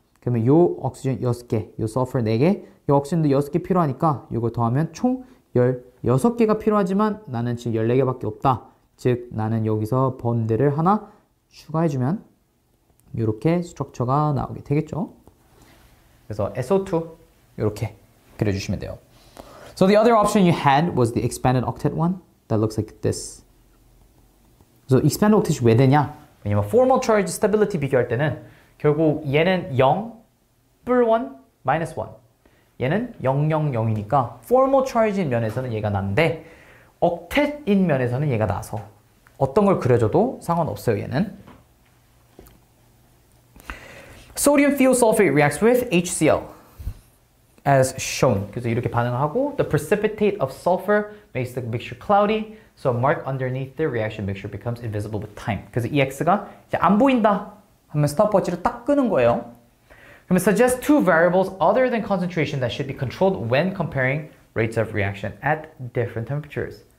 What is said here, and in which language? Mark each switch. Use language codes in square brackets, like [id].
[ko] 그러면 요 옥시즌 6개, 요 sulfur 4개, 요 옥시즌도 6개 필요하니까 요걸 더하면 총 16개가 필요하지만 나는 지금 14개밖에 없다. 즉 나는 여기서 번드를 하나 추가해주면 요렇게 스트럭처가 나오게 되겠죠. 그래서 SO2 요렇게 그려주시면 돼요. [en] So the other option you had was the expanded octet one that looks like this. [ko] So expanded octet이 왜 되냐? 왜냐면 formal charge stability 비교할 때는 결국 얘는 0, 불 1, 마이너스 1. 얘는 0, 0, 0이니까 formal charge인 면에서는 얘가 낫는데 octet인 면에서는 얘가 나서 어떤 걸 그려줘도 상관없어요, 얘는. [en] Sodium fuel sulfate reacts with HCl as shown. [ko] 그래서 이렇게 반응하고 [en] the precipitate of sulfur makes the mixture cloudy, so mark underneath the reaction mixture becomes invisible with time. [ko] 그래서 EX가 이제 안 보인다 하면 스톱워치를 딱 끄는 거예요. 그러면 [en] suggest two variables other than concentration that should be controlled when comparing rates of reaction at different temperatures.